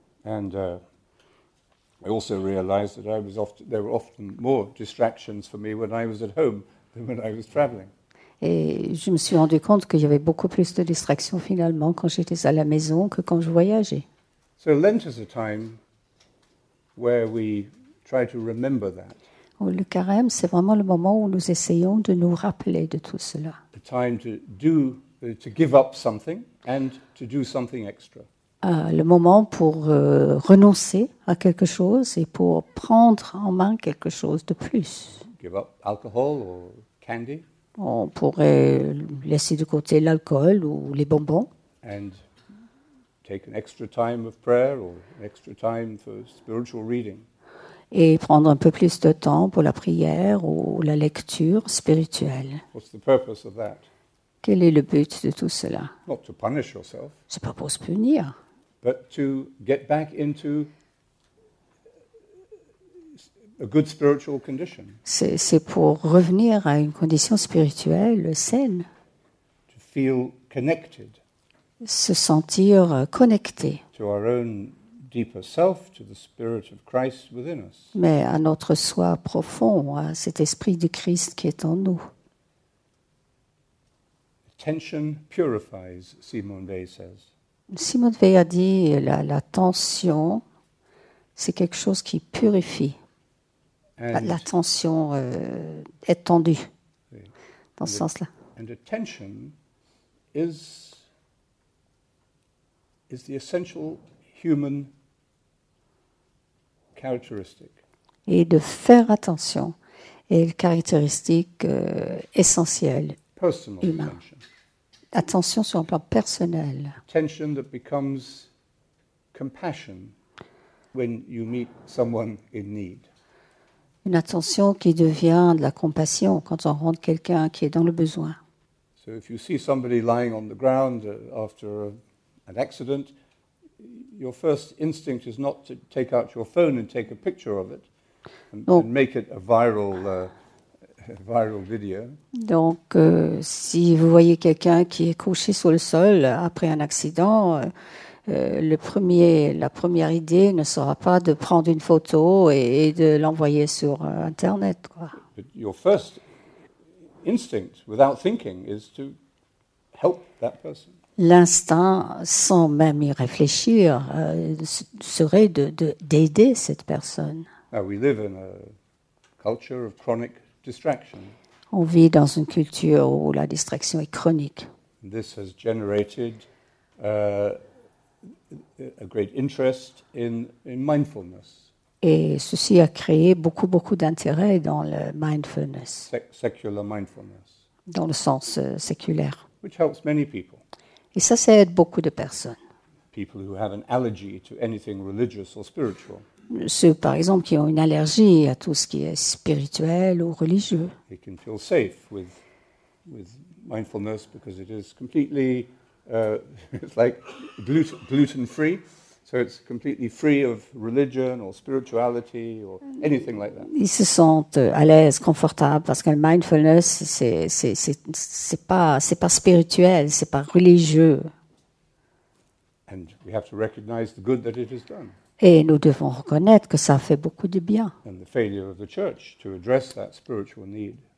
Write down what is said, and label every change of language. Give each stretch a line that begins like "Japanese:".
English: And I also realized that there were often more distractions for me when I was at home than when I was traveling.
French: Et je me suis rendu compte qu'il y avait beaucoup plus de distractions finalement quand j'étais à la maison que quand je voyageais.
English: So Lent is a time where we try to remember that.
French: Le carême, c'est vraiment le moment où nous essayons de nous rappeler de tout cela.
English: A time to give up something and to do something extra.
French: Le moment pour renoncer à quelque chose et pour prendre en main quelque chose de plus.
English: Give up alcohol or candy.
French: On pourrait laisser de côté l'alcool ou les bonbons.
English: And take an extra time of prayer or an extra time for spiritual reading.
French: Et prendre un peu plus de temps pour la prière ou la lecture spirituelle.
English: What's the purpose of that?
French: Quel est le but de tout cela?
English: Not to punish yourself.
French: C'est pas pour se punir.
English: But to get back into a good spiritual condition.
French: C'est pour revenir à une condition spirituelle saine.
English: To feel connected.
French: Se sentir connecté.
English: To our own deeper self, to the spirit of Christ within us.
French: Mais à notre soi profond, à cet esprit du Christ qui est en nous.
English: Attention purifies, Simone Weil says.
French: Simone Weil a dit la tension, c'est quelque chose qui purifie. La tension est tendue, dans ce sens-là.
English: And a tension is the essential human characteristic.
French: Et de faire attention est une caractéristique essentielle,
English: personal
French: humaine.
English: Attention.
French: Attention sur un plan personnel.
English: Attention that becomes compassion when you meet someone in need.
French: Une attention qui devient de la compassion quand on rencontre quelqu'un qui est dans le besoin.
English: So if you see somebody lying on the ground after an accident, your first instinct is not to take out your phone and take a picture of it and make it a viral. Viral video.
French: Donc, si vous voyez quelqu'un qui est couché sur le sol après un accident, la première idée ne sera pas de prendre une photo et de l'envoyer sur Internet, quoi.
English: But your first instinct, without thinking, is to help that person.
French: L'instinct, sans même y réfléchir, serait d'aider cette personne.
English: Now we live in a culture of chronic.
French: On vit dans une culture où la distraction est chronique.
English: This has generated a great interest in mindfulness.
French: Et ceci a créé beaucoup d'intérêt dans le mindfulness.
English: Secular mindfulness.
French: Dans le sens séculaire.
English: Which helps many people.
French: Et ça aide beaucoup de personnes.
English: People who have an allergy to anything religious or spiritual.
French: Ceux, par exemple, qui ont une allergie à tout ce qui est spirituel ou religieux.
English: They can feel safe with mindfulness because it is completely, it's like gluten-free, so it's completely free of religion or spirituality or anything like that.
French: Ils se sentent à l'aise, confortables, parce que le mindfulness, c'est pas spirituel, c'est pas religieux.
English: And we have to recognize the good that it has done.
French: Et nous devons reconnaître que ça fait beaucoup de bien.
English: And the failure of the church to address that spiritual need.